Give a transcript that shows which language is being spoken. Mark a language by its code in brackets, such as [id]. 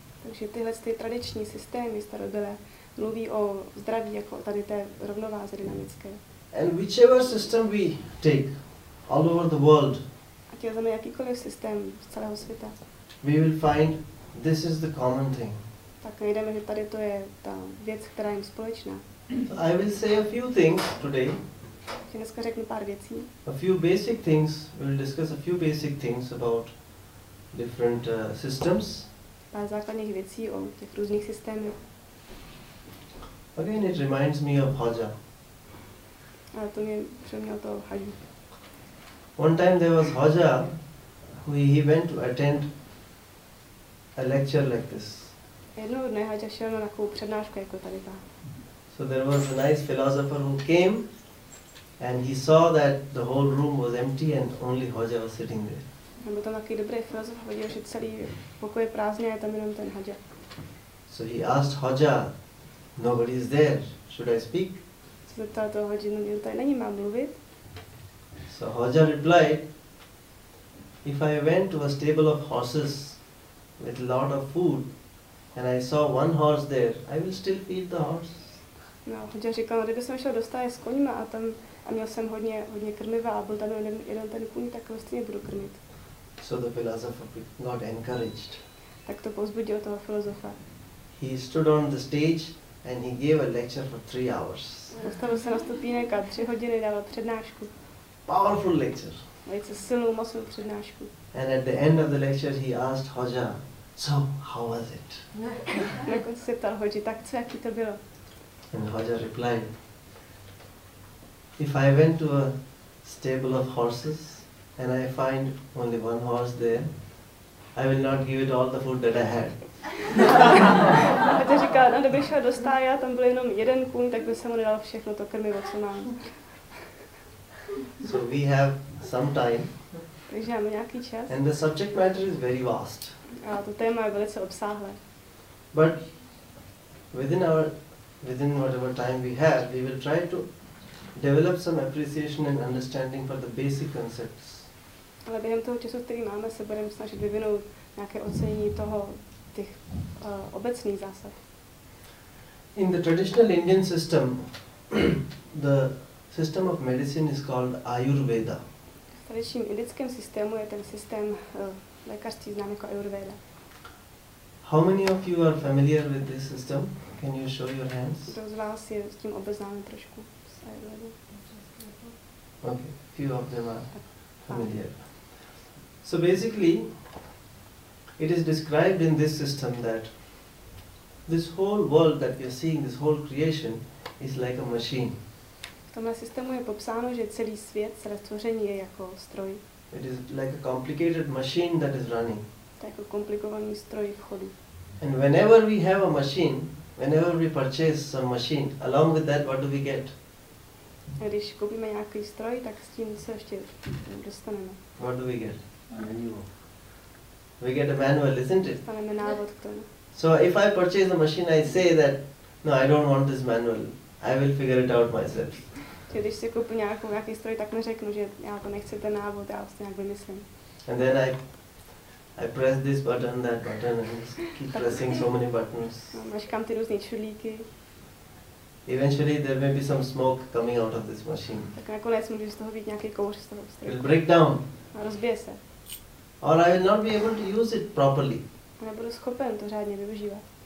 [cs] Takže tyhle ty tradiční systémy starobylé mluví o zdraví jako tady té rovnováze dynamické. [en] And whichever system we take all over the world, [cs] ať vezmeme jakýkoliv systém z celého světa, [en] we will find this is the common thing. [cs] Tak najdeme, že tady to je ta věc, která je společná. [en] I will say a few things today. [cs] Dneska řeknu pár věcí. [en] A few basic things, we'll discuss a few basic things about different systems. [cs] Pár základních věcí o těch různých systémech. [en] Again, it reminds me of Haja. [cs] A to mě připomnělo toho Haju. [en] One time there was Haja, who he went to attend a lecture like this. [cs] Jednoho dne Haja šel na takovou přednášku jako tady ta. [en] So there was a nice philosopher who came and he saw that the whole room was empty and only Haja was sitting there. [cs] A byl tam takový dobrý filozof, viděl, že celý pokoj je prázdný a je tam jenom ten Haja. [en] So he asked Haja, nobody is there, should I speak? [cs] Se zeptal toho Haji, no někdo tady není, mám mluvit? [en] So Haja replied, if I went to a stable of horses with a lot of food, and I saw one horse there, I will still feed the horse. [cs] No, Haja říkal, kdyby jsem šel do stáje s koňma a tam a měl jsem hodně krmiva a byl tam jeden ten kůň, tak ho stejně budu krmit. [en] So the philosopher got encouraged. [cs] Tak to povzbudilo toho filozofa. [en] He stood on the stage and he gave a lecture for 3 hours. [cs] Postavil se na stupínek a 3 hodiny dal přednášku. [en] Powerful lecture. [cs] Velice silnou, mocnou přednášku. [en] And at the end of the lecture he asked Haja, so how was it? [cs] Na konci se ptal Haji, tak co, jaký to bylo? [en] And Haja replied, if I went to a stable of horses and I find only one horse there, I will not give it all the food that I had. [cs] A ta říká, no, kdybych šel do stáje, tam byl jenom jeden kůň, tak by se mu nedal všechno to krmivo, co mám. [en] So we have some time. [cs] Takže máme nějaký čas. [en] And the subject matter is very vast. [cs] A to téma je velice obsáhlé. [en] But within whatever time we have, we will try to develop some appreciation and understanding for the basic concepts. [cs] Ale během toho času, který máme, se budeme snažit vyvinout nějaké ocenění toho těch obecných zásad. [en] In the traditional Indian system, the system of medicine is called Ayurveda. [cs] V tradičním indickém systému je ten systém lékařství znám jako Ayurveda. [en] How many of you are familiar with this system? Can you show your hands? [cs] Kdo z vás je s tím obeznámen trošku s [en] Ayurvedou? Okay, few of them are familiar. So basically, it is described in this system that this whole world that we are seeing, this whole creation, is like a machine. [cs] V tomhle systému je popsáno, že celý svět, celé stvoření je jako stroj. [en] It is like a complicated machine that is running. [cs] To je jako komplikovaný stroj v chodu. [en] And whenever we have a machine, whenever we purchase some machine, along with that, what do we get? [cs] A když koupíme nějaký stroj, tak s tím se ještě dostaneme. [en] What do we get? We get a manual, isn't it? So if I purchase a machine, I say that, no, I don't want this manual. I will figure it out myself. [cs] Když si koupím nějaký stroj, tak neřeknu, že já to nechci ten návod, já si nějak vymyslím. [en] And then I press this button, that button, and just keep pressing so many buttons. [cs] Mačkám ty různé čulíky. [en] Eventually there may be some smoke coming out of this machine. [cs] Tak nakonec může z toho být nějaký kouř z toho stroje. [en] It will break down. [cs] A rozbije se. [en] Or I will not be able to use it properly. [cs] Nebudu schopen to řádně využívat.